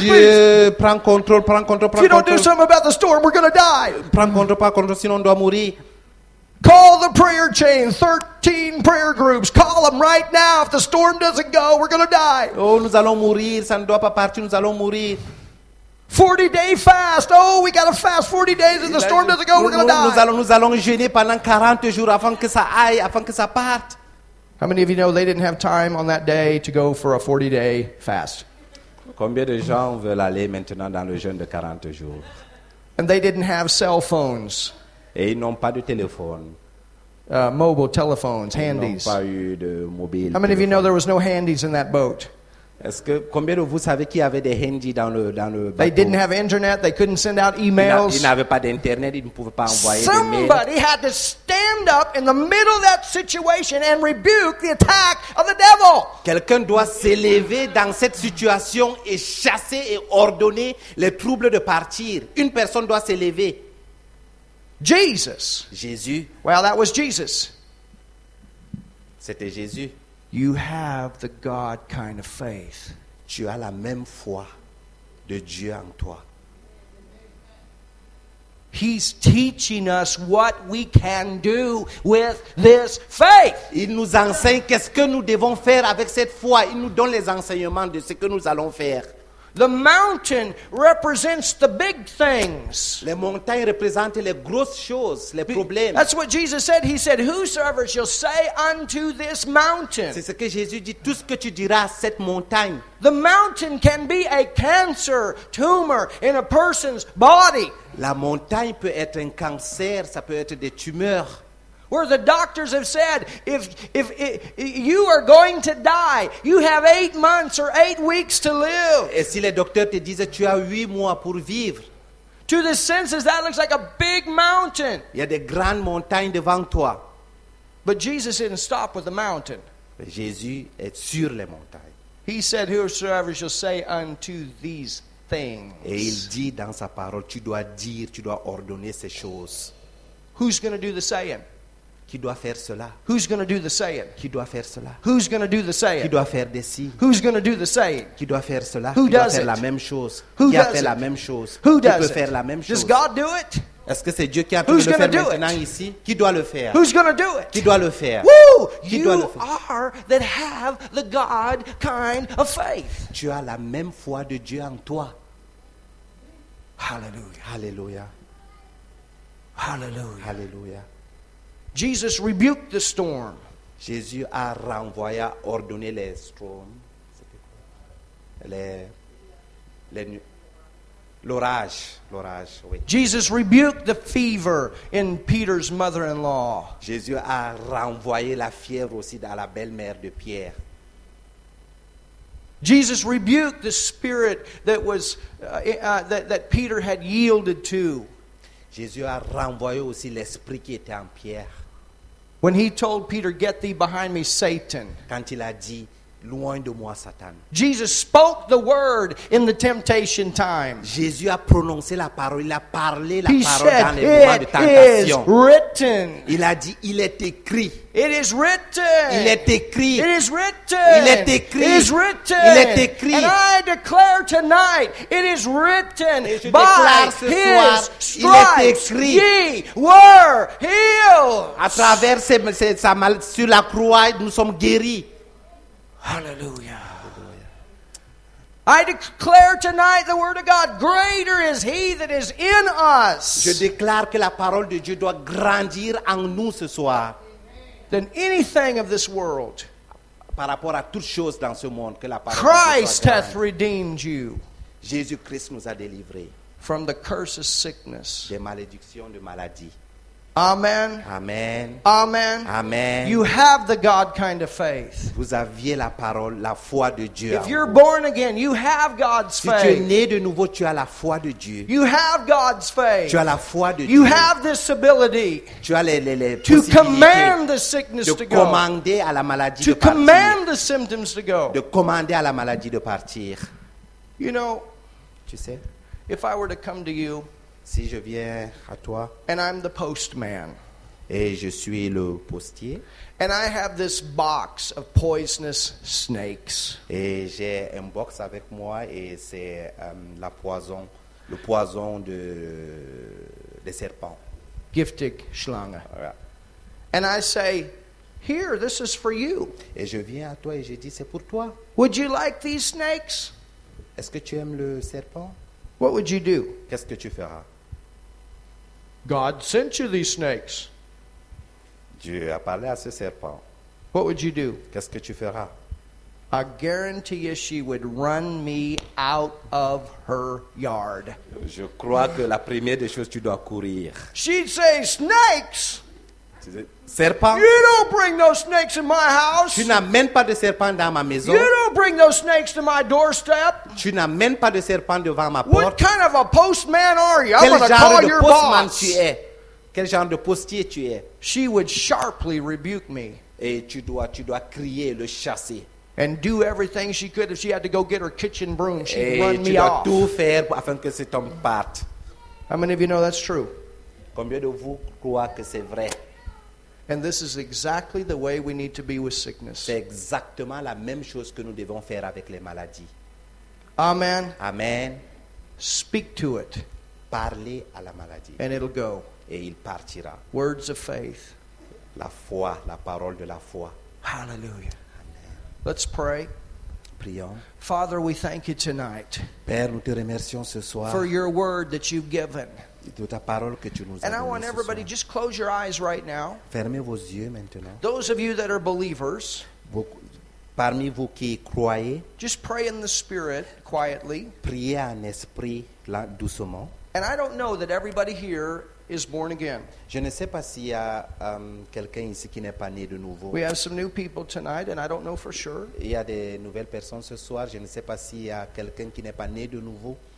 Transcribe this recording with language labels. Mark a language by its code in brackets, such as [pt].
[fr] Oh Dieu, prends contrôle, prends contrôle, prends contrôle. [en] If you don't do something about the storm, we're gonna die. [fr] Prends contrôle, prends contrôle, sinon on doit mourir. [en] Call the prayer chain, 13 prayer groups. Call them right now. If the storm doesn't go, we're gonna die. [fr] Oh, nous allons mourir. Ça ne doit pas partir. Nous allons mourir. [en] 40-day fast. Oh, we got to fast 40 days and the storm doesn't go, we're going to die. [fr] Nous allons jeûner pendant 40 jours avant que ça aille, avant que ça parte. [en] How many of you know they didn't have time on that day to go for a 40-day fast? [fr] Combien de gens veulent aller maintenant dans le jeûne de 40 jours? [en] And they didn't have cell phones. [fr] Et ils n'ont pas de téléphone. [en] Mobile telephones, handies. [fr] Ils n'ont pas eu de mobile. [en] How many téléphone? Of you know there was no handies in that boat? [fr] Est-ce que combien de vous savez qu'il y avait des handys dans le bateau? [en] They didn't have internet, they couldn't send out emails. [fr] Ils n'avaient pas d'internet, ils ne pouvaient pas envoyer des mails. [en] Somebody had to stand up in the middle of that situation and rebuke the attack of the devil. [fr] Quelqu'un doit s'élever dans cette situation et chasser et ordonner les troubles de partir. Une personne doit s'élever. [en] Jesus. [fr] Jésus. [en] Well, that was Jesus. [fr] C'était Jésus. [en] You have the God kind of faith. [fr] Tu as la même foi de Dieu en toi. [en] He's teaching us what we can do with this faith. [fr] Il nous enseigne qu'est-ce que nous devons faire avec cette foi. Il nous donne les enseignements de ce que nous allons faire. [en] The mountain represents the big things. [fr] Les montagnes représentent les grosses choses, les problèmes. [en] That's what Jesus said. He said, "Whosoever shall say unto this mountain." [fr] C'est ce que Jésus dit, tout ce que tu diras à cette montagne. [en] The mountain can be a cancer tumor in a person's body. [fr] La montagne peut être un cancer, ça peut être des tumeurs. [en] Where the doctors have said, if you are going to die, you have 8 months or 8 weeks to live. [fr] Et si les docteurs te disent tu as 8 mois pour vivre. [en] To the senses, that looks like a big mountain. [fr] Il y a des grandes montagnes devant toi. [en] But Jesus didn't stop with the mountain. [fr] Jésus est sur les montagnes. [en] He said, "Whosoever shall say unto these things." [fr] Et il dit dans sa parole, tu dois dire, tu dois ordonner ces choses. [en] Who's going to do the saying? [fr] Qui doit faire cela? [en] Who's going to do the saying? [fr] Qui doit faire cela? [en] Who's going to do the saying? [fr] Qui doit faire des si? [en] Who's going to do the saying? [fr] Qui doit faire cela? [en] Who [fr] qui [en] does [fr] doit faire [en] it? [fr] La même chose? [en] Who [fr] qui [en] does [fr] a fait [en] it? [fr] La même chose? [en] Who [fr] qui [en] does [fr] peut [en] it? [fr] Faire la même chose? [en] Does God do it? [fr] Est-ce que c'est Dieu qui a pu le faire maintenant ici? Qui doit le faire? [en] Who's going to do it? [fr] Qui doit le faire? Woo! Qui [en] you [fr] doit le faire? [en] Are that have the God kind of faith. [fr] Tu as la même foi de Dieu en toi. Hallelujah. Hallelujah. Hallelujah. Hallelujah. [en] Jesus rebuked the storm. [fr] Jésus a renvoyé, ordonné les storms. L'orage, oui. [en] Jesus rebuked the fever in Peter's mother-in-law. [fr] Jésus a renvoyé la fièvre aussi dans la belle-mère de Pierre. [en] Jesus rebuked the spirit that Peter had yielded to. [fr] Jésus a renvoyé aussi l'esprit qui était en Pierre. [en] When he told Peter, "Get thee behind me, Satan." [fr] Quand il a dit, loin de moi, Satan. [en] Jesus spoke the word in the temptation time. [fr] Jésus a prononcé la parole. Il a parlé la [en] he [fr] parole [en] said, [fr] dans les moments de tentation. [en] Is written. [fr] Il a dit, il est écrit. [en] It is written. [fr] Il est écrit. [en] It is written. [fr] Il est écrit. [en] It is written. [fr] Il est écrit. [en] And I declare tonight, it is written by his stripes, ye were healed. [fr] À travers sa mal sur la croix, nous sommes guéris. Hallelujah. [en] I declare tonight the word of God, greater is he that is in us. [fr] Je déclare que la parole de Dieu doit grandir en nous ce soir. [en] Than anything of this world. [fr] Par rapport à toute chose dans ce monde que la parole [en] Christ hath redeemed you. [fr] Jésus-Christ nous a délivrés. [en] From the curse of sickness. [fr] Des malédictions de maladie. Amen. Amen. Amen. Amen. [en] You have the God kind of faith. [fr] Vous aviez la parole, la foi de Dieu. [en] If you're born again, you have God's faith. [fr] Si tu es né de nouveau, tu as la foi de Dieu. [en] You have God's faith. [fr] Tu as la foi de Dieu. [en] You have this ability. [fr] Tu as les [en] to command the sickness to go. [fr] De commander à la maladie [en] to [fr] de partir. [en] To command the symptoms to go. [fr] De commander à la maladie de partir. [en] You know, [fr] tu sais, [en] if I were to come to you, [fr] si je viens à toi, [en] and I'm the postman, [fr] et je suis le postier, [en] and I have this box of poisonous snakes, [fr] et j'ai un box avec moi et c'est la poison, le poison de serpents, [de] giftig schlange. [en] Right. And I say, here, this is for you. [fr] Et je viens à toi et je dis c'est pour toi. [en] Would you like these snakes? [fr] Est-ce que tu aimes le serpent? [en] What would you do? [fr] Qu'est-ce que tu feras? [en] God sent you these snakes. [fr] Dieu a parlé à ce serpent. [en] What would you do? [fr] Qu'est-ce que tu feras? [en] I guarantee you she would run me out of her yard. [fr] Je crois que la première des choses, tu dois courir. [en] She'd say, snakes! [fr] Serpent. [en] You don't bring those snakes in my house. [fr] Tu n'amènes pas de serpents dans ma maison. [en] You don't bring those snakes to my doorstep. [fr] Tu n'amènes pas de serpents devant ma porte. [en] What kind of a postman are you? [fr] Quel [en] I'm going to call your boss. [fr] Tu es? Quel genre de postier tu es? [en] She would sharply rebuke me. [fr] Et tu dois crier, le chasser. [en] And do everything she could. If she had to go get her kitchen broom, she'd run me off. [fr] Et tu dois tout faire afin que cet homme parte. [en] How many of you know that's true? [fr] Combien de vous croient que c'est vrai? [en] And this is exactly the way we need to be with sickness. [fr] C'est exactement la même chose que nous devons faire avec les maladies. Amen. Amen. [en] Speak to it. [fr] Parlez à la maladie. [en] And it'll go. [fr] Et il partira. [en] Words of faith. [fr] La foi, la parole de la foi. Hallelujah. Amen. [en] Let's pray. [fr] Prions. [en] Father, we thank you tonight. [fr] Père, nous te remercions ce soir. [en] For your word that you've given. [fr] De ta parole que tu nous [en] and I want everybody just close your eyes right now. [fr] Fermez vos yeux maintenant. [en] Those of you that are believers, [fr] parmi vous qui croyez, [en] just pray in the spirit quietly. [fr] Priez en esprit doucement. [en] And I don't know that everybody here is born again. [fr] Je ne sais pas s'il y a quelqu'un ici qui n'est pas né de nouveau. [en] We have some new people tonight, and I don't know for sure. [fr] Il y a des nouvelles personnes ce soir. Je ne sais pas s'il y a quelqu'un qui n'est pas né de nouveau.